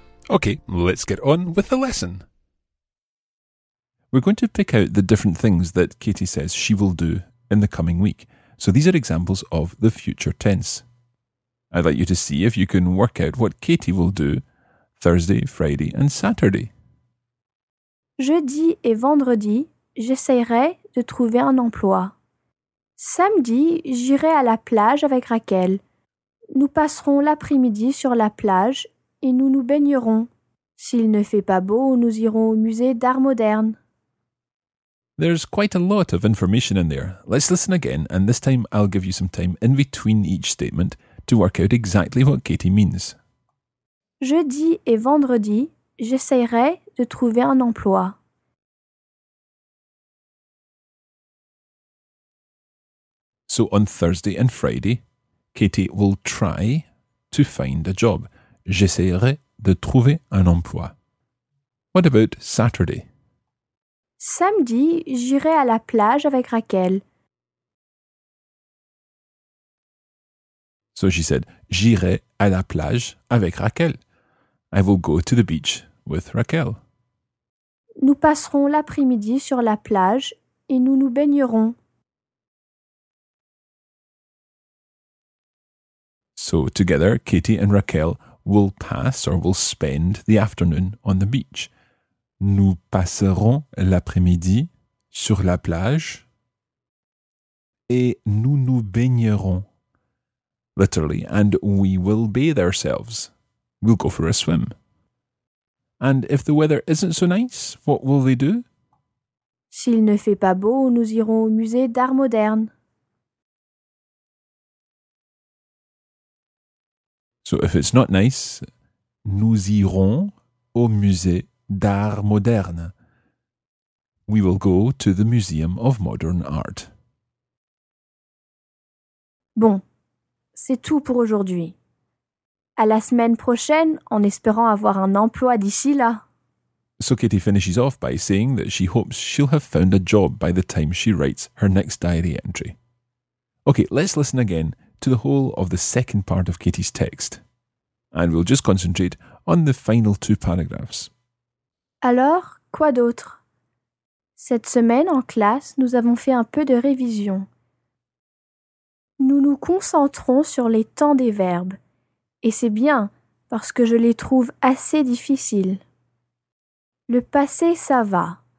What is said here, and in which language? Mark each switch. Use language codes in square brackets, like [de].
[en] Okay, let's get on with the lesson. We're going to pick out the different things that Katie says she will do in the coming week. So these are examples of the future tense. I'd like you to see if you can work out what Katie will do Thursday, Friday and Saturday. [fr] Jeudi et vendredi, j'essaierai de trouver un emploi. Samedi, j'irai à la plage avec Raquel. Nous passerons l'après-midi sur la plage et nous nous baignerons. S'il ne fait pas beau, nous irons au musée d'art moderne. [en] There's quite a lot of information in there. Let's listen again, and this time I'll give you some time in between each statement to work out exactly what Katie means. [fr] Jeudi et vendredi, j'essaierai de trouver un emploi. [en] So on Thursday and Friday, Katie will try to find a job. [fr] J'essaierai de trouver un emploi. [en] What about Saturday? [fr] Samedi, j'irai à la plage avec Raquel. [en] So she said, [fr] j'irai à la plage avec Raquel. [en] I will go to the beach with Raquel. [fr] Nous passerons l'après-midi sur la plage et nous nous baignerons. [en] So together, Katie and Raquel will pass or will spend the afternoon on the beach. [fr] Nous passerons l'après-midi sur la plage et nous nous baignerons. [en] Literally, and we will bathe ourselves. We'll go for a swim. And if the weather isn't so nice, what will they do? [fr] S'il ne fait pas beau, nous irons au musée d'art moderne. [en] So if it's not nice, [fr] nous irons au musée d'art moderne. [en] We will go to the Museum of Modern Art. [fr] Bon, c'est tout pour aujourd'hui. À la semaine prochaine, en espérant avoir un emploi d'ici là. [en] So Katie finishes off by saying that she hopes she'll have found a job by the time she writes her next diary entry. Okay, let's listen again to the whole of the second part of Katie's text. And we'll just concentrate on the final two paragraphs. [fr] Alors, quoi d'autre? Cette semaine, en classe, nous avons fait un peu de révision. Nous nous concentrons sur les temps des verbes. Et c'est bien, parce que je les trouve assez difficiles. Le passé, ça va.